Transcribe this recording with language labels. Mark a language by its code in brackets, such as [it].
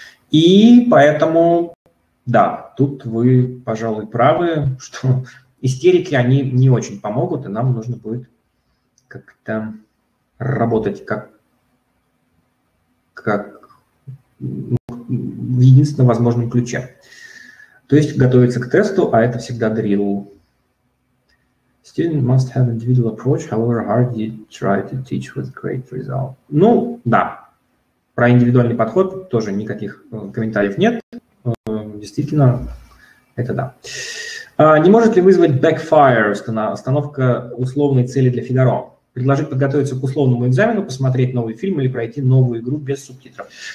[ru] И поэтому, да, тут вы, пожалуй, правы, что истерики, они не очень помогут, и нам нужно будет как-то работать как в единственном возможном ключе. То есть готовиться к тесту, а это всегда drill. [en] Student must have individual approach, however hard you try to teach with great result. [ru] Ну, да. Про индивидуальный подход тоже никаких комментариев нет. Действительно, это да. Не может ли вызвать backfire, установка условной цели для Фигаро? Предложить подготовиться к условному экзамену, посмотреть новый фильм или пройти новую игру без субтитров?